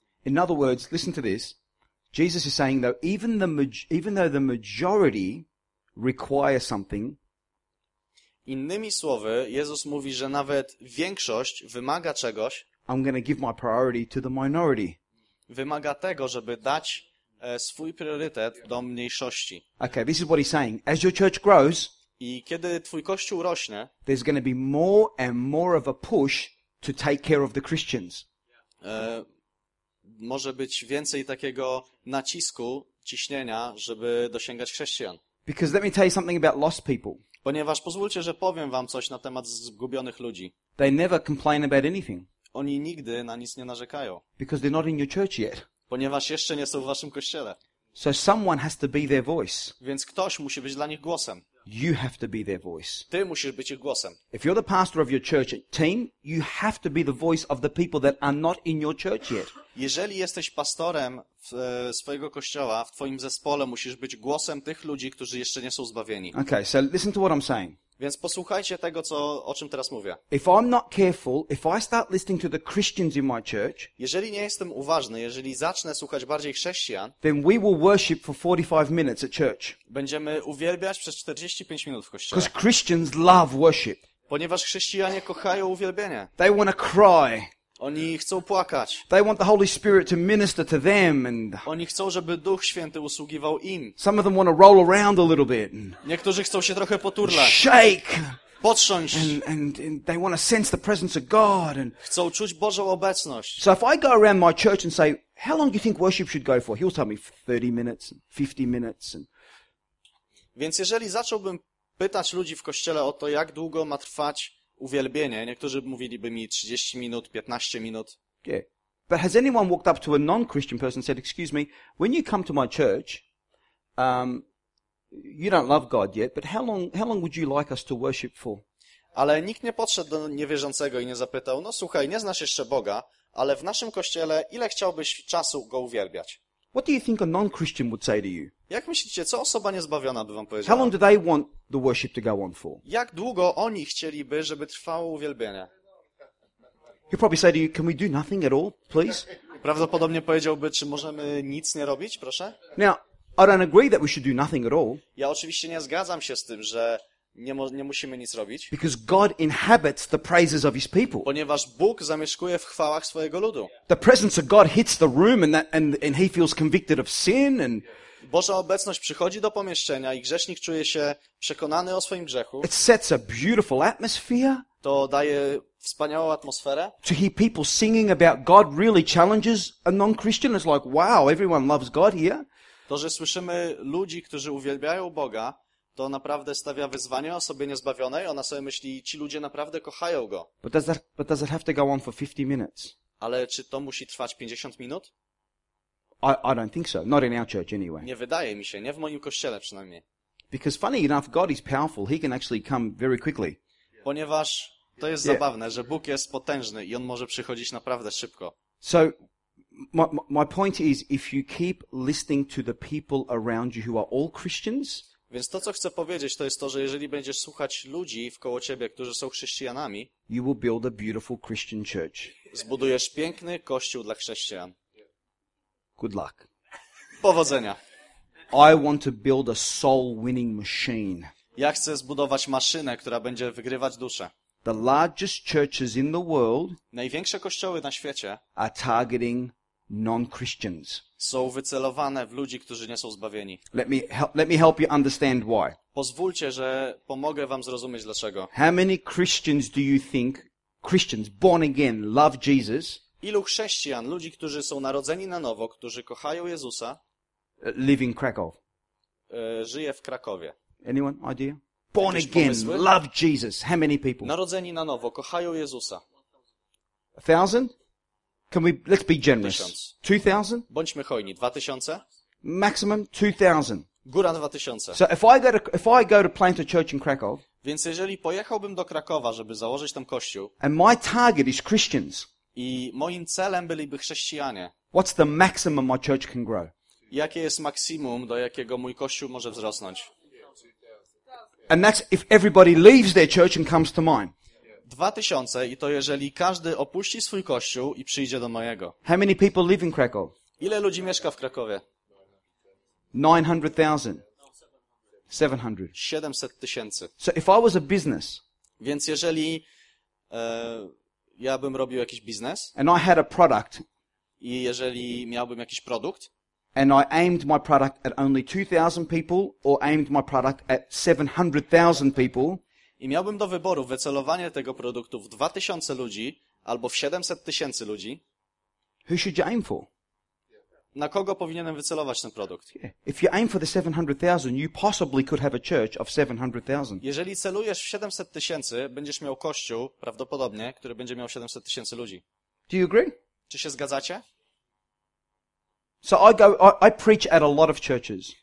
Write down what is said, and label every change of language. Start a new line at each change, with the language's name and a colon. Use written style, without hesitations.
English: In other words, listen to this. Jesus is saying though, even though the majority require something.
Polish: Innymi słowy, Jezus mówi, że nawet większość wymaga czegoś.
English: I'm going to give my priority to the minority.
Polish: Wymaga tego, żeby dać swój priorytet do mniejszości.
English: Okay, this is what he's saying. As your church grows,
Polish: i kiedy twój kościół rośnie,
English: there's going to be more and more of a push to take care of the Christians.
Polish: Może być więcej takiego nacisku, ciśnienia, żeby dosięgać chrześcijan.
English: Because let me tell you something about lost people.
Polish: Ponieważ pozwólcie, że powiem wam coś na temat zgubionych ludzi.
English: They never complain about anything.
Polish: Oni nigdy na nic nie narzekają.
English: Because they're not in your church yet.
Polish: Ponieważ jeszcze nie są w waszym kościele.
English: So someone has to be their voice.
Polish: Więc ktoś musi być dla nich głosem.
English: You have to be their voice.
Polish: Ty musisz być ich głosem.
English: If you're the pastor of your church team, you have to be the voice of the people that are not in your church yet.
Polish: Jeżeli jesteś pastorem swojego kościoła, w twoim zespole musisz być głosem tych ludzi, którzy jeszcze nie są zbawieni.
English: Okay, so listen to what I'm saying.
Polish: Więc posłuchajcie tego, co, o czym teraz mówię.
English: If I'm not careful, if I start listening to the Christians in my church,
Polish: jeżeli nie jestem uważny, jeżeli zacznę słuchać bardziej chrześcijan,
English: then we will worship for 45 minutes at church.
Polish: Będziemy uwielbiać przez 45 minut w kościele.
English: Because Christians love worship.
Polish: Ponieważ chrześcijanie kochają uwielbienie.
English: They want to cry.
Polish: Oni chcą płakać.
English: They want the Holy Spirit to minister to them and
Polish: oni chcą, żeby Duch Święty usługiwał im.
English: Some of them want to roll around a little bit.
Polish: Niektórzy chcą się trochę poturlać.
English: Shake.
Polish: Potrząść.
English: And they want to sense the presence of God and
Polish: chcą czuć Bożą obecność.
English: So if I go around my church and say, how long do you think worship should go for? He'll tell me 30 minutes, 50 minutes and
Polish: więc jeżeli zacząłbym pytać ludzi w kościele o to, jak długo ma trwać uwielbienie. Niektórzy mówiliby mi 30 minut, 15 minut.
English: Yeah. But has anyone walked up to a non-Christian person and said, excuse me, when you come to my church, you don't love God yet, but how long would you like us to worship for?
Polish: Ale nikt nie podszedł do niewierzącego i nie zapytał, no słuchaj, nie znasz jeszcze Boga, ale w naszym kościele ile chciałbyś czasu go uwielbiać?
English: What do you think a non-Christian would say to you?
Polish: Jak myślicie, co osoba niezbawiona by wam powiedziała?
English: How long do they want the worship to go on for?
Polish: Jak długo oni chcieliby, żeby trwało uwielbienie?
English: He'd probably say to you, can we do nothing at all, please?
Polish: Prawdopodobnie powiedziałby, czy możemy nic nie robić, proszę?
English: Now, I don't agree that we should do nothing at all.
Polish: Ja oczywiście nie zgadzam się z tym, że nie musimy nic robić.
English: Because God inhabits the praises of his people.
Polish: Ponieważ Bóg zamieszkuje w chwałach swojego ludu.
English: The presence of God hits the room and that, and he feels convicted of sin and
Polish: Boża obecność przychodzi do pomieszczenia i grzesznik czuje się przekonany o swoim grzechu.
English: It sets a beautiful atmosphere.
Polish: To daje wspaniałą atmosferę.
English: To hear people singing about God really challenges a non-Christian. It's like, wow, everyone loves God here.
Polish: To, że słyszymy ludzi, którzy uwielbiają Boga, to naprawdę stawia wyzwanie osobie niezbawionej. Ona sobie myśli, ci ludzie naprawdę kochają Go.
English: But does it have to go on for 50 minutes?
Polish: Ale czy to musi trwać 50 minut?
English: I don't think so. Not in our church anyway.
Polish: Nie wydaje mi się, nie w moim kościele przynajmniej.
English: Because funny enough, God is powerful. He can actually come very quickly.
Polish: Ponieważ to jest zabawne, że Bóg jest potężny i on może przychodzić naprawdę szybko.
English: So my point is, if you keep listening to the people around you who are all Christians.
Polish: Więc to, co chcę powiedzieć, to jest to, że jeżeli będziesz słuchać ludzi wkoło ciebie, którzy są chrześcijanami,
English: you will build a beautiful Christian church.
Polish: Zbudujesz piękny kościół dla chrześcijan.
English: Good luck.
Polish: Powodzenia.
English: I want to build a soul-winning machine.
Polish: Ja chcę zbudować maszynę, która będzie wygrywać dusze.
English: The largest churches in the world,
Polish: największe kościoły na świecie,
English: are targeting non-Christians.
Polish: Są wycelowane w ludzi, którzy nie są zbawieni.
English: Let me help you understand why.
Polish: Pozwólcie, że pomogę wam zrozumieć dlaczego.
English: How many Christians do you think, Christians born again, love Jesus?
Polish: Ilu chrześcijan, ludzi, którzy są narodzeni na nowo, którzy kochają Jezusa?
English: Live in Krakow.
Polish: Żyje w Krakowie.
English: Anyone idea? Born again, love Jesus. How many people?
Polish: Narodzeni na nowo, kochają Jezusa.
English: 1,000? Let's be generous. 2,000?
Polish: Bądźmy hojni. 2,000?
English: Maximum 2,000.
Polish: Góra 2,000.
English: So if I go to plant a church in Krakow.
Polish: Więc jeżeli pojechałbym do Krakowa, żeby założyć tam kościół.
English: And my target is Christians.
Polish: I moim celem byliby chrześcijanie.
English: What's the maximum my church can grow?
Polish: Jakie jest maksimum, do jakiego mój kościół może wzrosnąć?
English: And that's if everybody leaves their church and comes to mine.
Polish: 2,000 i to jeżeli każdy opuści swój kościół i przyjdzie do mojego.
English: How many people live in Krakow?
Polish: Ile ludzi mieszka w Krakowie?
English: 900,000. 700.
Polish: 700 tysięcy.
English: So if I was a business.
Polish: Więc jeżeli ja bym robił jakiś biznes.
English: And I had a product.
Polish: I jeżeli miałbym jakiś produkt.
English: And I aimed my product at only 2,000 people or aimed my product at 700,000 people.
Polish: I miałbym do wyboru wycelowanie tego produktu w 2,000 ludzi albo w 700 tysięcy ludzi.
English: Who should you aim for?
Polish: Na kogo powinienem wycelować ten produkt?
English: If you aim for the 700,000, you possibly could have a church of 700,000.
Polish: Jeżeli celujesz w 700 tysięcy, będziesz miał kościół, prawdopodobnie, który będzie miał 700 tysięcy ludzi.
English: Do you agree?
Polish: Czy się zgadzacie?
English: So I preach at a lot of churches.